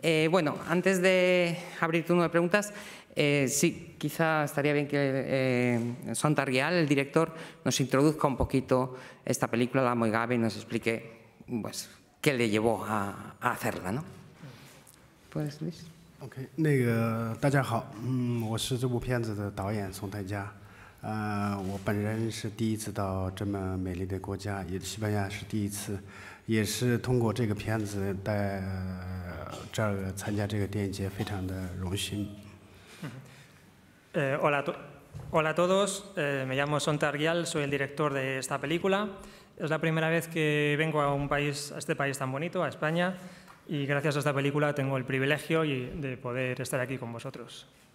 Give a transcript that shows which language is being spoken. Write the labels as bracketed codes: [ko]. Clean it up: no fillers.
[es] Bueno, antes de abrir turno de preguntas, sí, quizá estaría bien que Sontar Gyal, el director, nos introduzca un poquito esta película, Lamo Igabe, y nos explique pues, qué le llevó a hacerla, ¿no? Pues, Luis. [zh] OK， 那个大家好，嗯，我是这部片子的导演宋太佳，我本人是第一次到这么美丽的国家，也是西班牙是第一次，也是通过这个片子在这儿参加这个电影节，非常的荣幸。 Hola [es] a todos， me llamo Sontar Gyal， soy el director de esta película， es la primera vez que vengo a un país， a este país tan bonito， a España。 Y gracias a esta película tengo el privilegio de poder estar aquí con vosotros.